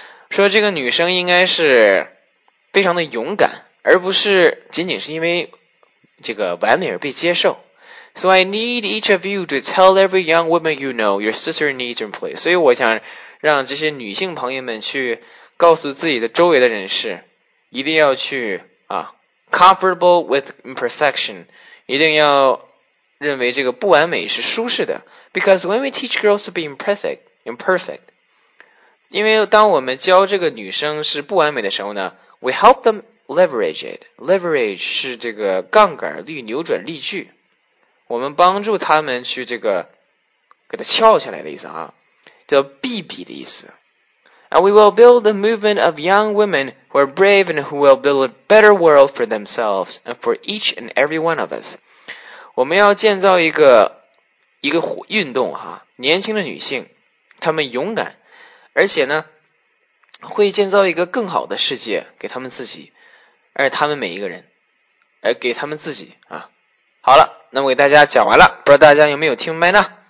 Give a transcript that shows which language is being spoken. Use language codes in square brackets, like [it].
[zh] 说这个女生应该是非常的勇敢，而不是仅仅是因为这个完美而被接受。 [en] So I need each of you to tell every young woman you know your sister needs employees. [zh] 所以我想让这些女性朋友们去告诉自己的周围的人士，一定要去啊 [en] comfortable with imperfection， [zh] 一定要认为这个不完美是舒适的。 [en] Because when we teach girls to be imperfect， [zh] 因为当我们教这个女生是不完美的时候呢， [en] we help them leverage it。 [zh] Leverage 是这个杠杆力，扭转力矩，我们帮助他们去这个给它翘起来的意思啊，叫臂臂的意思。 [en] And we will build the movement of young women who are brave and who will build a better world for themselves and for each and every one of us. [zh] 我们要建造一个运动哈，年轻的女性，她们勇敢，而且呢，会建造一个更好的世界给她们自己，而她们每一个人，给她们自己啊。好了，那么给大家讲完了，不知道大家有没有听明白呢？